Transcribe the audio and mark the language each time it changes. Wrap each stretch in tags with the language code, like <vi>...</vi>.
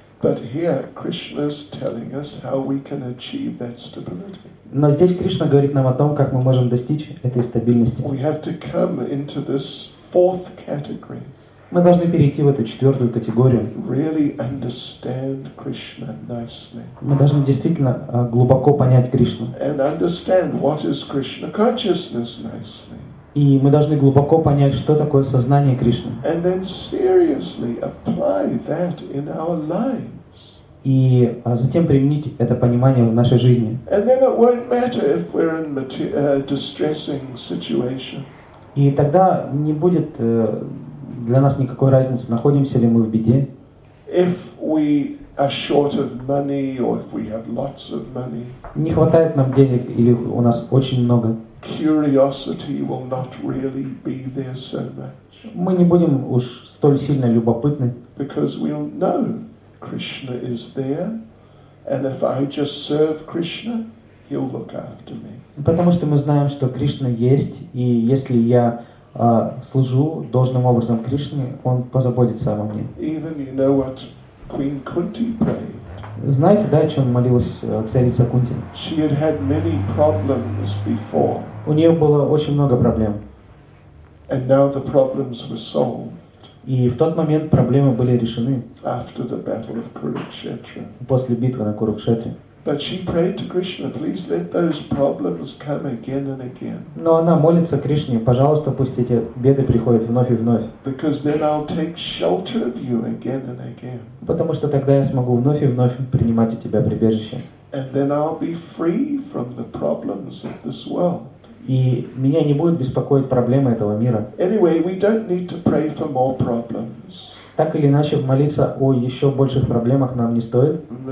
<en>But here Krishna's telling us how we can achieve that stability.</en> <ru>Но здесь Кришна говорит нам о том, как мы можем достичь этой стабильности.</ru> <en>We have to come into this fourth category.</en> <ru>Мы должны перейти в эту четвертую категорию.</ru> <en>Really understand Krishna nicely.</en> <ru>Мы должны действительно глубоко понять Кришну.</ru> <en>And understand what is Krishna consciousness nicely.</en> <ru>И мы должны глубоко понять, что такое сознание Кришны.</ru> <en>And then seriously apply that in our lives.</en> <ru>И затем применить это понимание в нашей жизни.</ru> <en>And then it won't matter if we're in distressing situation.</en> <ru>И тогда не будет для нас никакой разницы, находимся ли мы в беде.</ru> <en>If we are short of money or if we have lots of money.</en> <ru>Не хватает нам денег или у нас очень много.</ru> <en>Curiosity will not really be there so much.</en> <ru>Мы не будем уж столь сильно любопытны.</ru> <en>Because we'll know Krishna is there, and if I just serve Krishna, he'll look after me.</en> <ru>Потому что мы знаем, что Кришна есть, и если я служу должным образом Кришне, он позаботится обо мне.</ru> <en>Even you know what Queen Kunti prayed.</en> <ru>Знаете, да, о чем молилась царица Кунти?</ru> <en>She had had many problems before.</en> <ru>У нее было очень много проблем.</ru> <en>And now the problems were solved.</en> <ru>И в тот момент проблемы были решены.</ru> <en>After the battle of Kurukshetra.</en> <ru>После битвы на Курукшетре.</ru> <en>But she prayed to Krishna, please let those problems come again and again.</en> <ru>Но она молится Кришне, пожалуйста, пусть эти беды приходят вновь и вновь.</ru> <en>Because then I'll take shelter of you again and again.</en> <ru>Потому что тогда я смогу вновь и вновь принимать у тебя прибежище.</ru> <en>And then I'll be free from the problems of this world.</en> <ru>И меня не будут беспокоить проблемы этого мира.</ru> <en>Anyway, we don't need to pray for more problems.</en> <ru>Так или иначе, молиться о еще больших проблемах нам не стоит.</ru>